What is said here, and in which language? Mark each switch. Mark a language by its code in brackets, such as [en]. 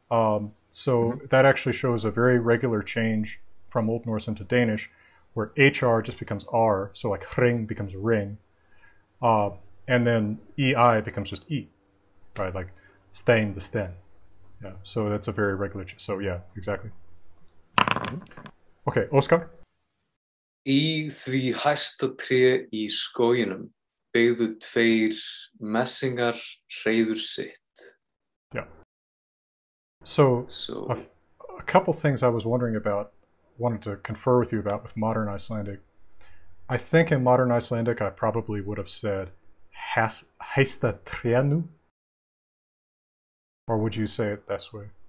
[en] That actually shows a very regular change from Old Norse into Danish, where HR just becomes R, so like hring becomes ring, and then EI becomes just E, right? Like stein the sten. Yeah, so that's a very regular change. So yeah, exactly. Okay, Oscar. [is] I því hæsta tré í skóginum byggðu tveir messingar hreiður sitt. [en] Yeah. So a couple things I was wanted to confer with you about with modern Icelandic. I think in modern Icelandic, I probably would have said hæsta trénu. Or would you say it this way?